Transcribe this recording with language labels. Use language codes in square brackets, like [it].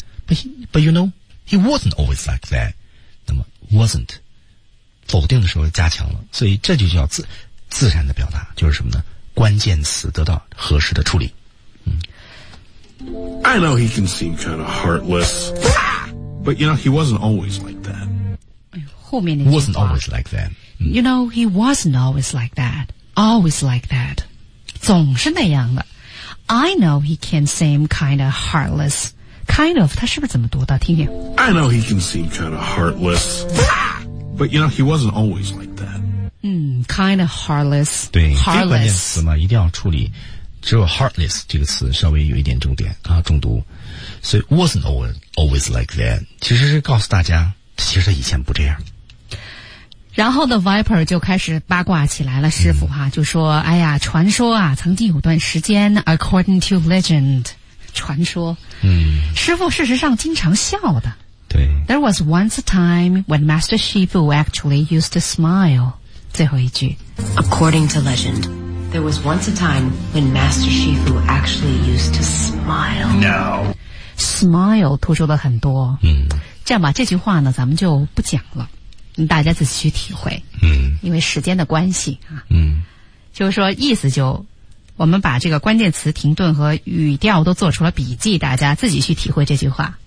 [en] But you know, he wasn't always like that. [zh] 那么 wasn't 否定的时候加强了，所以这就叫 自然的表达，就是什么呢？关键词得到合适的处理。 [en] I know he can seem kind of heartless, but you know, he wasn't always like that. [zh] 后面那句话 [en] wasn't always like that. You know, he wasn't always like that. Always like that. [zh] 总是那样的。 [en] I know he can seem kind of heartless. [zh] Kind of, 他是不是怎么读的？听听。 [en] I know he can seem kind of heartless. But you know, he wasn't always like that. Kind of heartless. [zh] 对， [en] heartless. [zh] 这关键词嘛，一定要处理。只有 heartless 这个词稍微有一点重点啊，重读。所以 wasn't always like that. 其实是告诉大家，其实他以前不这样。然后的 Viper 就开始八卦起来了，师傅哈，就说哎呀，传说啊，曾经有段时间 [en] according to legend [zh] 传说，师傅事实上经常笑的，对， [en] There was once a time when Master Shifu actually used to smile， [zh] 最后一句 [en] according to legend there was once a time when Master Shifu actually used to smile no [zh] smile 突出了很多，嗯，这样吧，这句话呢咱们就不讲了，大家自己去体会，嗯，因为时间的关系啊，嗯，就是说意思就，我们把这个关键词停顿和语调都做出了笔记，大家自己去体会这句话。